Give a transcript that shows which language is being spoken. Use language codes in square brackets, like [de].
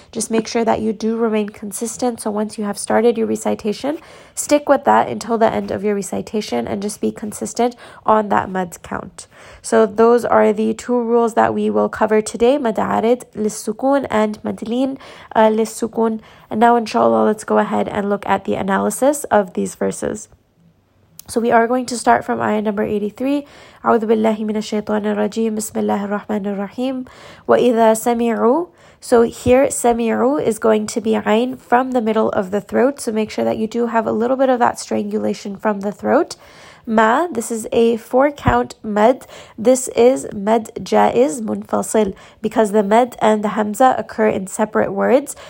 [en] Just make sure that you do remain consistent. So once you have started your recitation, stick with that until the end of your recitation and just be consistent on that mad count. So those are the two rules that we will cover today. Mad'arid, lissukun, and madleen, lissukun. And now, inshallah, let's go ahead and look at the analysis of these verses. So we are going to start from ayah number 83. [ar] أعوذ بالله من الشيطان الرجيم بسم الله الرحمن الرحيم وإذا سمعوا. [en] So here, سمعوا is going to be عين from the middle of the throat. So make sure that you do have a little bit of that strangulation from the throat. ما, this is a 4-count med. This is med jaiz munfasil because the med and the hamza occur in separate words.